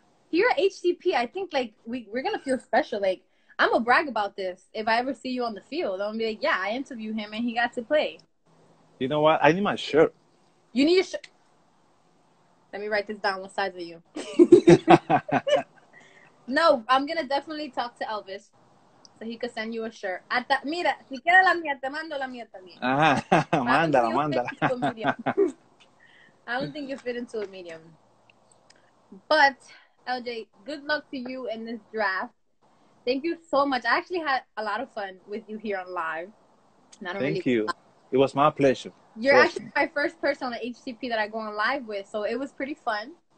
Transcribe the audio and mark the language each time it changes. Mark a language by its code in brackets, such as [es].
[en] Here at HCP, I think, like, we're going to feel special. Like, I'm going to brag about this if I ever see you on the field. I'm going to be like, yeah, I interviewed him, and he got to play. You know what? I need my shirt. You need your shirt. Let me write this down. What size are you? No, I'm going to definitely talk to Elvis so he could send you a shirt. [es] Mira, si quieres la mía, te mando la mía también. Mándala. [en] I don't think you fit into a medium. But... LJ, good luck to you in this draft. Thank you so much. I actually had a lot of fun with you here on live. It was my pleasure. Actually my first person on the HCP that I go on live with, so it was pretty fun.